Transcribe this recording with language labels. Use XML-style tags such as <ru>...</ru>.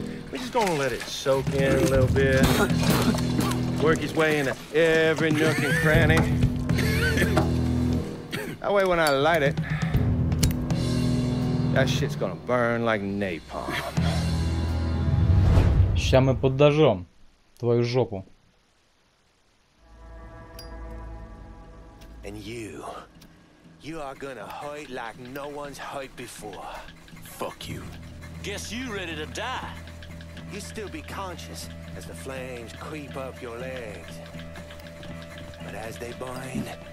<en>We're just gonna let it soak in a little bit. Work his way into every nook and cranny. That way, when I light it, that shit's gonna burn like napalm.</en> <ru>Сейчас мы подожжем твою жопу.</ru> <en>And you. You are gonna hurt like no one's hurt before. Fuck you. Guess you ready to die. You still be conscious as the flames creep up your legs. But as they burn...</en>